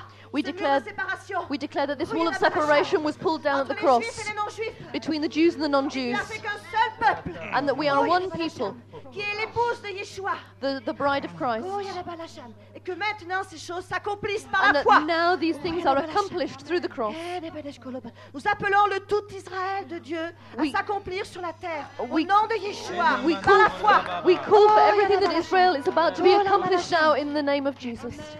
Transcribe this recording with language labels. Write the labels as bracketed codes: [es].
[en] We declare that this wall of separation was pulled down at the cross between the Jews and the non-Jews, and that we are one people, [fr] qui est l'épouse de Yeshua. [en] The bride of Christ. [fr] Et que maintenant ces choses s'accomplissent par [en] and [fr] la foi. [en] And now these things are accomplished through the cross. [fr] Nous appelons le tout Israël de Dieu à s'accomplir sur la terre au nom de Yeshua par la foi. [en] We call for everything that Israel is about to be accomplished now in the name of Jesus.